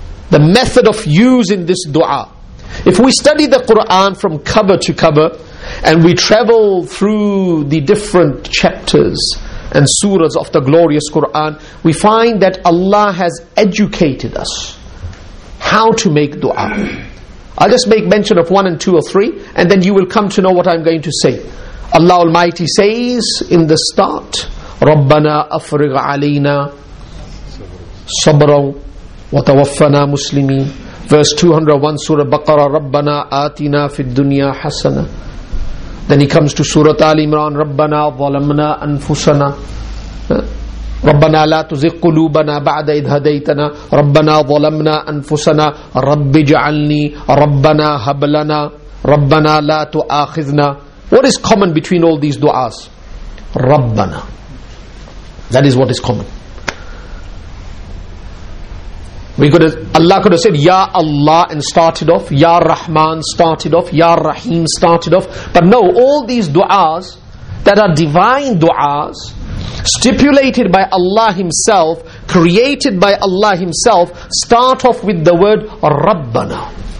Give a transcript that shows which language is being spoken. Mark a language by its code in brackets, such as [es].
[en] The method of using this dua. If we study the Quran from cover to cover, and we travel through the different chapters and surahs of the glorious Quran, we find that Allah has educated us how to make dua. I'll just make mention of one and two or three, and then you will come to know what I'm going to say. Allah Almighty says in the start, [ar] رَبَّنَا أَفْرِغْ عَلَيْنَا صَبْرًا وَتَوَفَّنَا مُسْلِمِينَ. [en] Verse 201, Surah Baqarah, [ar] رَبَّنَا آتِنَا فِي الدُّنْيَا حَسَنًا. [en] Then he comes to Surah Ali Imran, [ar] رَبَّنَا ظَلَمْنَا أَنفُسَنَا رَبَّنَا لَا تُزِغْ قُلُوبَنَا بَعْدَ إِذْ هَدَيْتَنَا رَبَّنَا ظَلَمْنَا أَنفُسَنَا رَبِّ جَعَلْنِي رَبَّنَا هَبْ لَنَا رَبَّنَا لَا تُؤَاخِذْنَا. [en] What is common between all these du'as? رَبَّنَا. That is what is common. Allah could have said Ya Allah and started off, Ya Rahman started off, Ya Rahim started off. But no, all these du'as that are divine du'as, stipulated by Allah Himself, created by Allah Himself, start off with the word Rabbana.